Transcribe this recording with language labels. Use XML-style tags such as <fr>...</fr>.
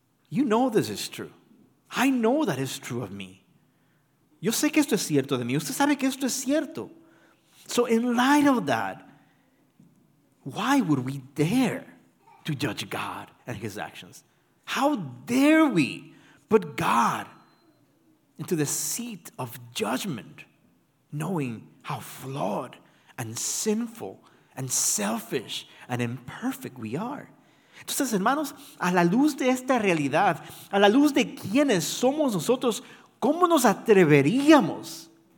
<en>You know this is true. I know that is true of me.</en> <es>Yo sé que esto es cierto de mí. Usted sabe que esto es cierto.</es> <en>So in light of that, why would we dare to judge God and his actions? How dare we put God into the seat of judgment, knowing how flawed and sinful and selfish and imperfect we are?</en> <es>Entonces, hermanos, a la luz de esta realidad, a la luz de quiénes somos nosotros, ¿cómo nos atreveríamos?</es>